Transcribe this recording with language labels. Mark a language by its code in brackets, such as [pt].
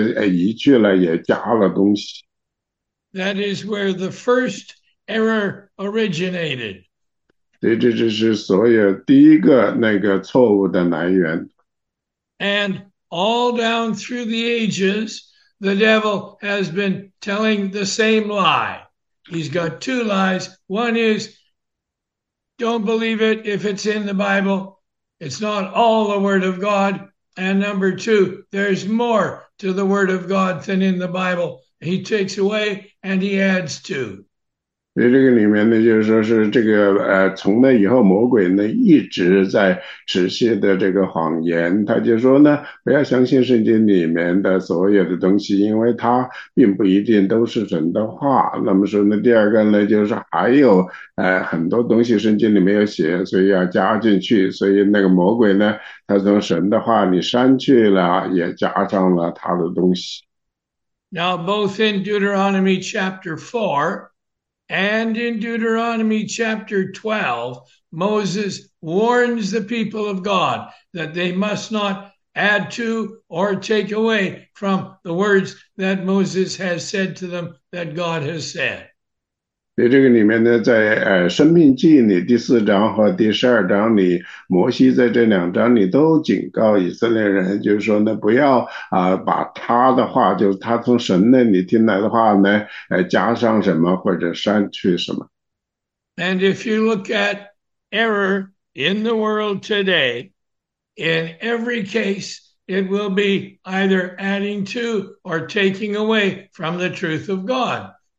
[zh] 所以这个非常有意思呢，就是说在圣经里最开始的时候，在伊甸园的时候，撒旦呢，他呢也把神的话呢移去了，也加了东西。 [en] That is where the first error originated. [zh] 所以这就是所有第一个那个错误的来源。 [en] And all down through the ages, the devil has been telling the same lie. He's got two lies. One is, don't believe it if it's in the Bible, it's not all the Word of God. And number two, there's more to the Word of God than in the Bible. He takes away and he adds to. [zh] So 这个里面呢，就是说是这个从那以后，魔鬼呢一直在持续的这个谎言。他就说呢，不要相信圣经里面的所有的东西，因为它并不一定都是神的话。那么说呢，第二个呢，就是还有很多东西圣经里没有写，所以要加进去。所以那个魔鬼呢，他从神的话里删去了，也加上了他的东西。 [en] Now, both in Deuteronomy chapter 4 and in Deuteronomy chapter 12, Moses warns the people of God that they must not add to or take away from the words that Moses has said to them that God has said. [zh] 在生命记里第四章和第十二章里，摩西在这两章里都警告以色列人，就是说呢，不要把他的话，就是他从神那里听来的话呢，加上什么或者删去什么。And [en] if you look at error in the world today, in every case, it will be either adding to or taking away from the truth of God.